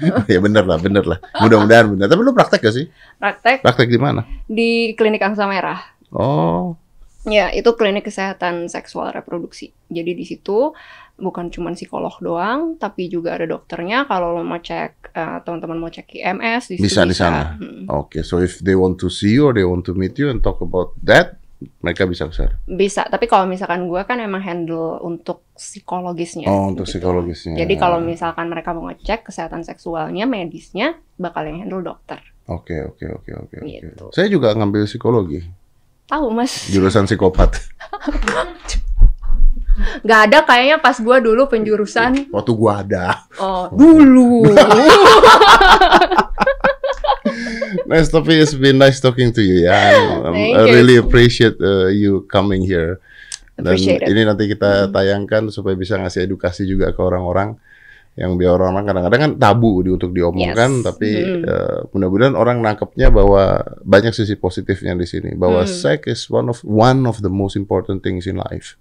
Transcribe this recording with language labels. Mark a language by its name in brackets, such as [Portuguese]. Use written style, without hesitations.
[Indonesian] Ya bener lah. Mudah-mudahan bener. Tapi lu praktek gak sih? Praktek. Praktek di mana? Di klinik Angsa Merah. Oh. Ya, itu klinik kesehatan seksual reproduksi. Jadi di situ bukan cuma psikolog doang, tapi juga ada dokternya. Kalau lo mau cek, teman-teman mau cek IMS, bisa di sana. [English] Okay, so if they want to see you or they want to meet you and talk about that, [Indonesian] mereka bisa ke sana. Bisa, tapi kalau misalkan gue kan emang handle untuk psikologisnya. Oh, untuk gitu. Psikologisnya. Jadi kalau misalkan mereka mau ngecek kesehatan seksualnya, medisnya, bakal yang handle dokter. Oke. Gitu. Saya juga ngambil psikologi. Tahu mas. Jurusan psikopat. Gak ada kayaknya pas gue dulu penjurusan. Waktu gue ada. Oh, dulu. [English] Nice, [Indonesian] tapi [English] it's been nice talking to you ya. I really appreciate you coming here. [Indonesian] Dan ini nanti kita tayangkan supaya bisa ngasih edukasi juga ke orang-orang. Yang biar orang-orang kadang-kadang kan tabu untuk diomongkan, yes. Tapi mudah-mudahan orang nangkepnya bahwa banyak sisi positifnya di sini, bahwa [English] sex is one of the most important things in life.